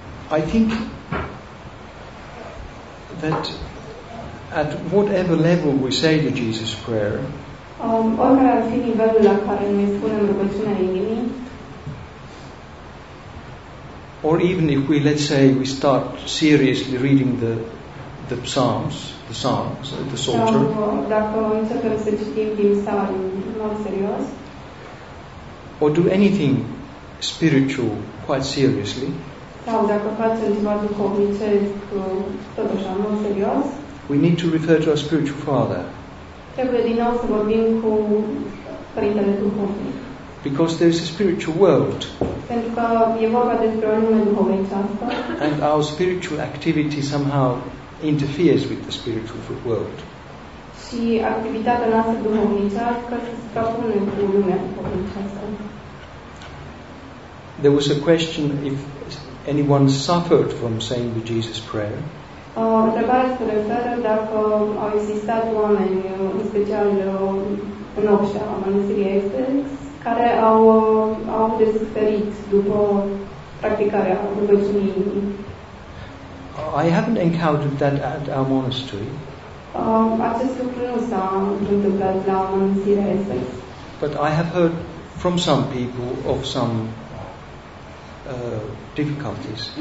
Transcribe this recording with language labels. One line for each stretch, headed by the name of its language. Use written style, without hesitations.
English: I think that at whatever level we say the Jesus Prayer,
Romanian: oricare ar fi nivelul la care noi spunem rugăciunea inimii.
English: Or even if we, let's say, we start seriously reading the psalms, the songs, the psalter.
Romanian: Dacă începem să citim din psalmi în mod serios.
English: Or do anything spiritual quite seriously.
Romanian: Sau dacă facem ceva duhovnicesc, tot așa, în mod serios.
English: We need to refer to our spiritual father.
Romanian: Trebuie din nou să vorbim cu Părintele Duhovnic.
English: Because there is a spiritual world.
Romanian: Pentru că e vorba despre o lume duhovnicească.
English: And our spiritual activity somehow interferes with the spiritual world.
Romanian: Și activitatea noastră duhovnicească se suprapune cu lumea duhovnicească.
English: There was a question if anyone suffered from saying the Jesus Prayer.
Romanian: Întrebarea se referă dacă au existat oameni, în special în obștea, în mănăstirii Estes, care au desuferit după practicarea rugăciunii inimii.
English: I haven't encountered that at our monastery.
Romanian: Acest lucru nu s-a întâmplat la mănăstirea Estes.
English: But I have heard from some people of some difficulties.